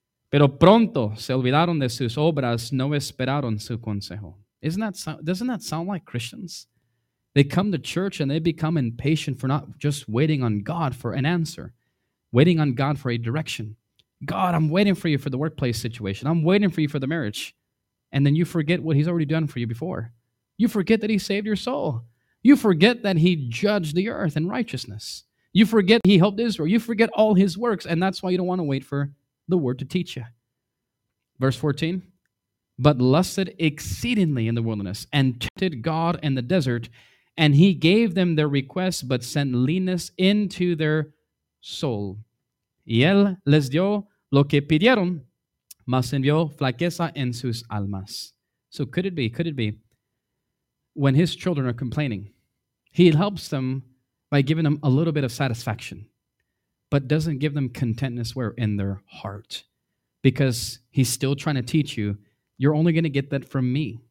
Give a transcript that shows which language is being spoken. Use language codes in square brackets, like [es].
[es] Pero pronto se olvidaron de sus obras, no esperaron su consejo. [en] Doesn't that sound like Christians? They come to church and they become impatient for not just waiting on God for an answer. Waiting on God for a direction. God, I'm waiting for you for the workplace situation. I'm waiting for you for the marriage. And then you forget what he's already done for you before. You forget that he saved your soul. You forget that he judged the earth in righteousness. You forget he helped Israel. You forget all his works. And that's why you don't want to wait for the word to teach you. Verse 14. But lusted exceedingly in the wilderness and tempted God in the desert. And he gave them their requests, but sent leanness into their soul. [es] Y él les dio lo que pidieron, mas envió flaqueza en sus almas. [en] So could it be, when his children are complaining, he helps them by giving them a little bit of satisfaction, but doesn't give them contentness where in their heart, because he's still trying to teach you, you're only going to get that from me.